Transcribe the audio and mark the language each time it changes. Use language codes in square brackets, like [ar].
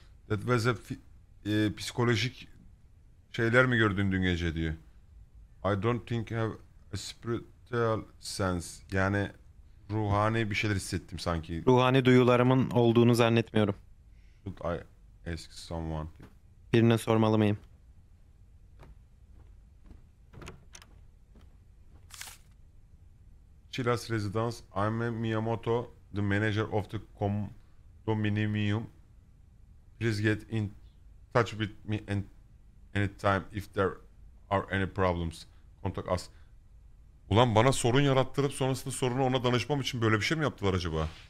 [tr] Dedveze psikolojik şeyler mi gördün dün gece diyor. [en] I don't think I have a spiritual sense. [tr] Yani ruhani bir şeyler hissettim sanki. Ruhani duyularımın olduğunu zannetmiyorum. [en] Should I ask someone? [tr] Birine sormalı mıyım? [en] Chilas Residence. I'm Miyamoto, the manager of the condominium. Please get in touch with me and anytime if there are any problems. Contact us. [tr] Ulan bana sorun yarattırıp sonrasında sorunu ona danışmam için böyle bir şey mi yaptılar acaba?